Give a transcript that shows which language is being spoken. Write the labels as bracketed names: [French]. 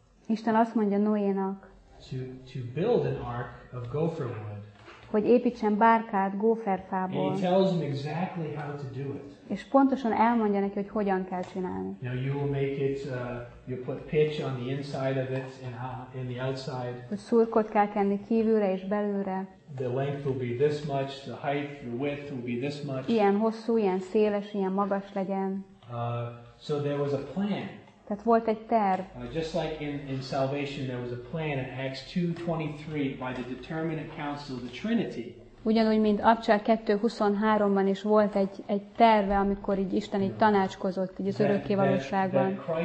[Hungarian] Isten azt mondja Noénak. [English] To build an ark of gopher wood. [Hungarian] Hogy építsen bárkát gopherfából. [English] He tells him exactly how to do it. [Hungarian] És pontosan elmondja neki, hogy hogyan kell csinálni. [English] Now you will make it you put pitch on the inside of it and in the outside. [Hungarian] Hogy szurkot kell kenni kívülre és belülre. [English] The length will be this much, the height, the width will be this much. [Hungarian] Ilyen hosszú, ilyen széles, ilyen magas legyen. [English] So there was a plan. [Hungarian] Tehát volt egy terv. [English] Just like in salvation there was a plan in Acts 2:23 by the determinate counsel of the Trinity. [Hungarian] Ugyanúgy, mint Abcsel 2:23-ban is volt egy terve, amikor így Isten így tanácskozott így az örökké valóságban.